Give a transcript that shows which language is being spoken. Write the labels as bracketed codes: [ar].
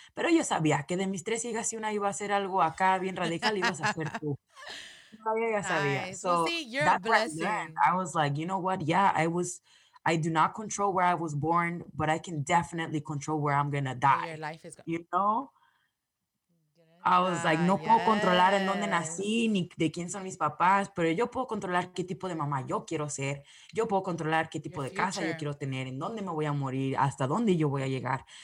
[es] Pero yo sabía que de mis tres hijas, si una iba a hacer algo acá bien radical, ibas a hacer tú. [en] I was like, you know what? Yeah, I do not control where I was born, but I can definitely control where I'm gonna die. Your life is you know? I was like, [es] no puedo controlar en dónde nací ni de quién son mis papás, pero yo puedo controlar qué tipo de mamá yo quiero ser. Yo puedo controlar qué tipo de casa yo quiero tener, en dónde me voy a morir, hasta dónde yo voy a llegar.